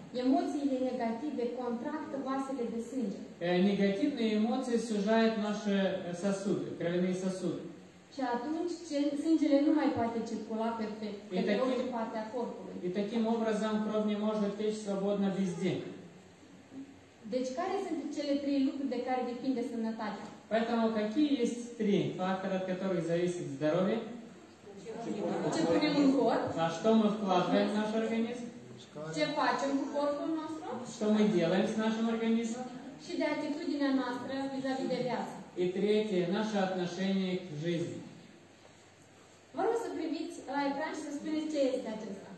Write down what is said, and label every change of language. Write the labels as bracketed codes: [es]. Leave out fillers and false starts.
[ro] Emoțiile negative contractă vasele de sânge. [ru] Negativne emoții sujaet nașe sasude, кровяные сосуды. [ro] Și atunci sângele nu mai poate circula perfect pe orice parte a corpului. [ru] И таким образом кровь не может течь свободно везде. [ro] Deci care sunt cele trei lucruri de care depinde sănătatea? [ru] Поэтому какие есть три фактора, от которых зависит здоровье? [ro] Ce punem în corp? [ru] А что мы вкладываем в наш организм? [ro] Ce facem cu corpul nostru? [ru] Что мы делаем с нашим организмом? [ro] Și de atitudinea noastră vis-a-vis de viață. [ru] И третье, наше отношение к жизни. [ro] Vă rog să priviți la ecran și să spuneți ce este acesta.